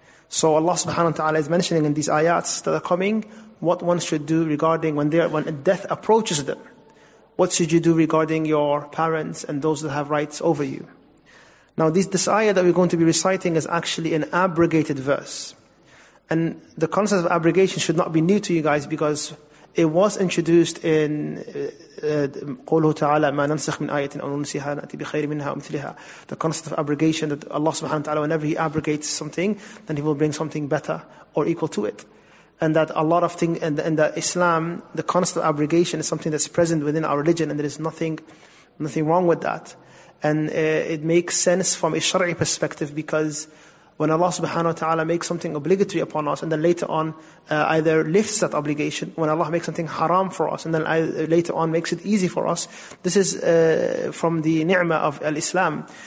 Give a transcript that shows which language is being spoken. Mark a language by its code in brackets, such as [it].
[en] So Allah subhanahu wa ta'ala is mentioning in these ayats that are coming, what one should do regarding when death approaches them. What should you do regarding your parents and those that have rights over you? Now, this ayah that we're going to be reciting is actually an abrogated verse. And the concept of abrogation should not be new to you guys, because It was introduced in [ar] قوله تعالى ما ننسخ من آية أو ننسيها نأتي بخير منها ومثلها. [en] The concept of abrogation, that Allah subhanahu wa ta'ala, whenever He abrogates something, then He will bring something better or equal to it. And that a lot of things, and that Islam, the concept of abrogation is something that's present within our religion, and there is nothing wrong with that. And it makes sense from a shari'i perspective, because when Allah subhanahu wa ta'ala makes something obligatory upon us, and then later on either lifts that obligation, when Allah makes something haram for us, and then later on makes it easy for us, this is from the ni'mah of al-Islam.